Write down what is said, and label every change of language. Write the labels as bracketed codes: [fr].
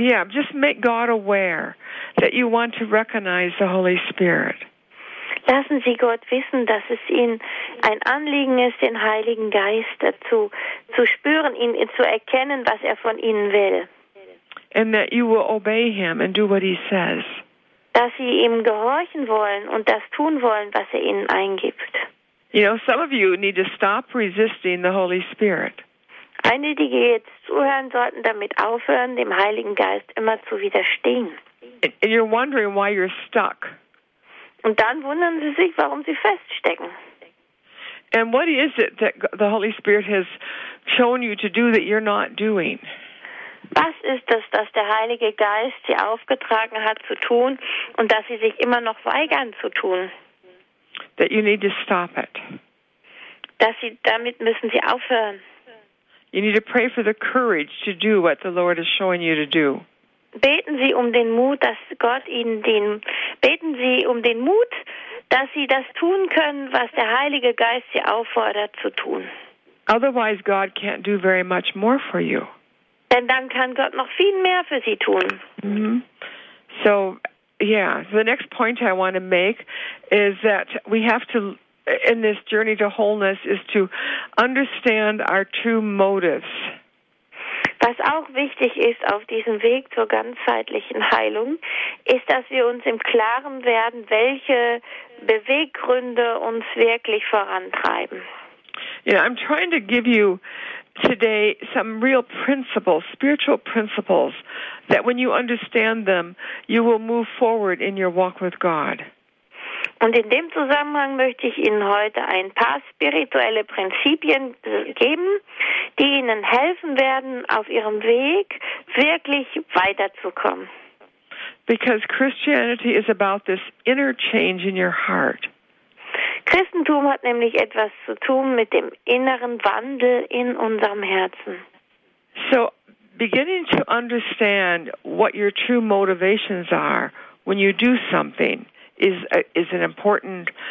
[en] Just make God aware that you want to recognize the Holy Spirit. [de] Lassen Sie Gott wissen, dass es Ihnen ein Anliegen ist, den Heiligen Geist dazu zu spüren, ihn zu erkennen, was er von Ihnen will. [en] And that you will obey him and do what he says. [de] Dass Sie ihm gehorchen wollen und das tun wollen, was er Ihnen eingibt. [en] You know, some of you need to stop resisting the Holy Spirit. [de] Einige, die jetzt zuhören, sollten damit aufhören, dem Heiligen Geist immer zu widerstehen. [en] And you're wondering why you're stuck. [de] Und dann wundern Sie sich, warum Sie feststecken. [en] And what is it that the Holy Spirit has shown you to do that you're not doing? [de] Was ist es, dass der Heilige Geist Sie aufgetragen hat zu tun und dass Sie sich immer noch weigern zu tun? [en] That you need to stop it. [de] Dass Sie damit müssen Sie aufhören. [en] You need to pray for the courage to do what the Lord is showing you to do. [de] Beten Sie um den Mut, dass Gott Ihnen den. Beten Sie um den Mut, dass Sie das tun können, was der Heilige Geist Sie auffordert zu tun. [en] Otherwise, God can't do very much more for you. [de] Denn dann kann Gott noch viel mehr für Sie tun. Mm-hmm. So, yeah. [en] So the next point I want to make is that we have to, in this journey to wholeness, is to understand our true motives. [de] Was auch wichtig ist auf diesem Weg zur ganzheitlichen Heilung, ist, dass wir uns im Klaren werden, welche Beweggründe uns wirklich vorantreiben. [en] You know, I'm trying to give you today some real principles, spiritual principles, that when you understand them, you will move forward in your walk with God. [de] Und in dem Zusammenhang möchte ich Ihnen heute ein paar spirituelle Prinzipien geben, die Ihnen helfen werden, auf Ihrem Weg wirklich weiterzukommen. [en] Because Christianity is about this inner change in your heart. [de] Christentum hat nämlich etwas zu tun mit dem inneren Wandel in unserem Herzen. [en] So, beginning to understand what your true motivations are when you do something is important.